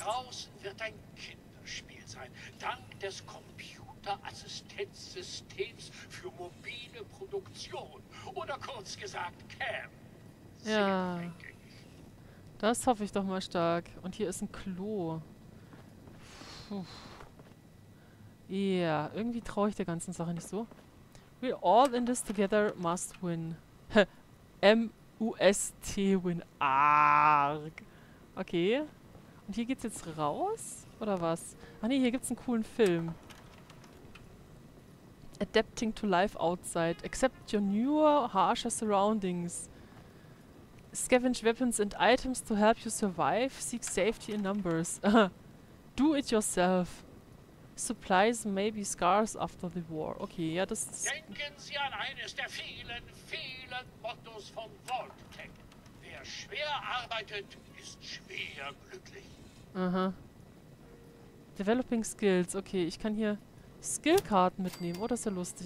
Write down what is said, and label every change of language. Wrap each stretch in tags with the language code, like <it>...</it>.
<de>Das Überleben draußen wird ein Kinderspiel sein. Dank des Computerassistenzsystems für mobile Produktion. Oder kurz gesagt, Camp. Sehr ja. Das hoffe ich doch mal stark. Und hier ist ein Klo. Puh. Ja, yeah, irgendwie traue ich der ganzen Sache nicht so.</de> <en>We all in this together must win. M-U-S-T win. Arg. Okay.</en> <de>Und hier geht's jetzt raus? Oder was? Ach nee, hier gibt's einen coolen Film.</de> <en>Adapting to life outside. Accept your newer, harsher surroundings. Scavenge weapons and items to help you survive. Seek safety in numbers. Do it yourself. Supplies may be scarce after the war.</en> <de>Okay, ja, das ist... Denken Sie an eines der vielen, vielen Mottos von Vault-Tec. Wer schwer arbeitet, ist schwer glücklich.</de> <en>Aha. Developing Skills.</en> <de>Okay, ich kann hier Skillkarten mitnehmen. Oh, das ist ja lustig.</de>